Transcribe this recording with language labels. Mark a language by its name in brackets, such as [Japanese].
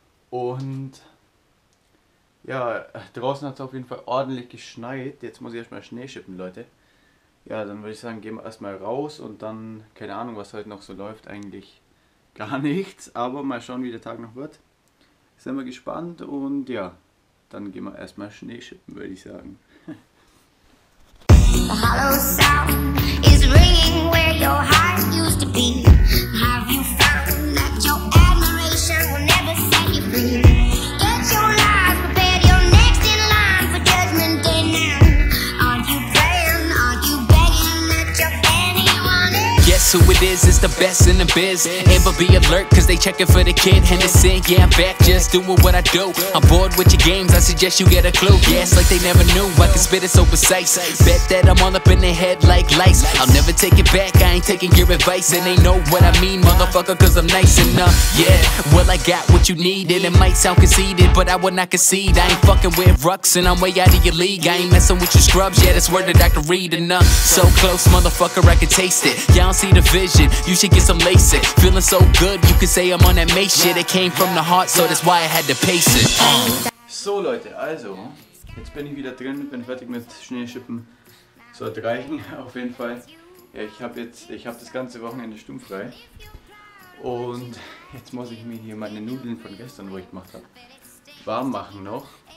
[German] Und ja, draußen hat es auf jeden Fall ordentlich geschneit, jetzt muss ich erstmal Schnee schippen, Leute. Ja, dann würde ich sagen, gehen wir erstmal raus und dann, keine Ahnung, was heute noch so läuft, eigentlich gar nichts. Aber mal schauen, wie der Tag noch wird. Sind wir gespannt und ja. Dann gehen wir erstmal Schnee schippen, würde ich sagen. [English] The hollow sound is ringing where your heart used to be. Have you found that your admiration will never set you free? Get your life prepared, you're next in line for judgment day now. Are you praying, are you begging that you're anyone else? Guess who it is, it's the best in the biz. Ever be alert, cause they checking for the kid Henderson. Yeah, I'm back, just doing what I do. I'm bored with your games, I suggest you get a clue. Yeah, it's like they never knew, I can spit it so precise. Bet that I'm all up in their head like lice. I'll never take it back, I ain't taking your advice. And they know what I mean, motherfucker, cause I'm nice enough. Yeah, well I got what you need. And it might sound conceited, but I would not concede. I ain't fucking with rucks and I'm way out of your league. I ain't messing with your scrubs, yeah, that's word that I can read enough. So close, motherfucker, I can taste it. Yeah, I don't see the vision, you should get some LASIK. Feeling so good, you could say I'm on that mate shit. It came from the heart, so that's why I had to pace it. [German] So Leute, also, jetzt bin ich wieder drin, bin fertig mit Schneeschippen. Sollte reichen, auf jeden Fall. Ja, ich hab das ganze Wochenende stummfrei. Und jetzt muss ich mir hier meine Nudeln von gestern, wo ich gemacht habe, warm machen noch.